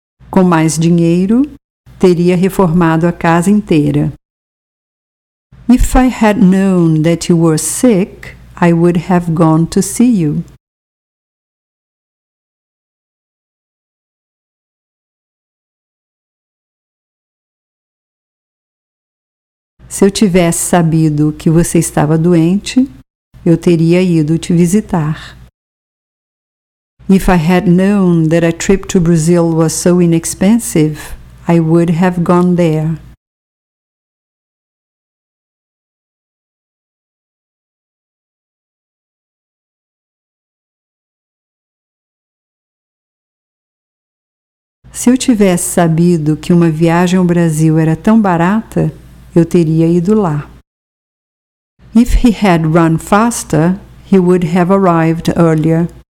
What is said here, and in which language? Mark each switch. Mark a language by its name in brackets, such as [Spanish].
[Portuguese] Com mais dinheiro, teria reformado a casa inteira. [English] If I had known that you were sick, I would have gone to see you. [Portuguese] Se eu tivesse sabido que você estava doente, eu teria ido te visitar. [English] If I had known that a trip to Brazil was so inexpensive, I would have gone there. [Portuguese] Se eu tivesse sabido que uma viagem ao Brasil era tão barata, eu teria ido lá. [English] If he had run faster, he would have arrived earlier.